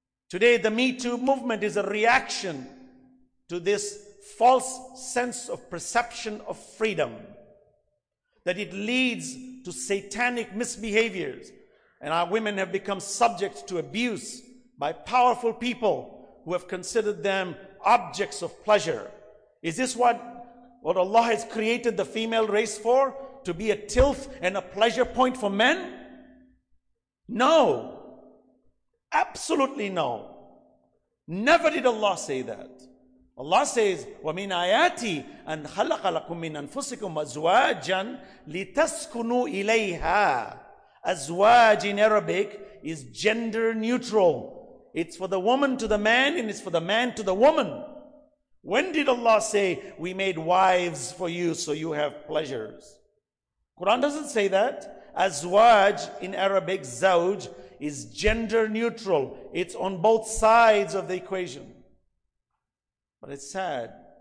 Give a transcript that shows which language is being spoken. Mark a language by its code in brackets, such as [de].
[en] Today, the Me Too movement is a reaction to this false sense of perception of freedom, that it leads to satanic misbehaviors, and our women have become subject to abuse by powerful people who have considered them objects of pleasure. Is this what Allah has created the female race for? To be a tilth and a pleasure point for men? No. Absolutely no. Never did Allah say that. [ar] Allah says, وَمِنْ آيَاتِ أَنْ خَلَقَ لَكُمْ مِنْ أَنفُسِكُمْ أَزْوَاجًا لِتَسْكُنُوا إِلَيْهَا [en] Azwaj in Arabic is gender neutral. It's for the woman to the man and it's for the man to the woman. When did Allah say, we made wives for you so you have pleasures? Quran doesn't say that. Azwaj in Arabic, zawj, is gender neutral. It's on both sides of the equation. But it's sad.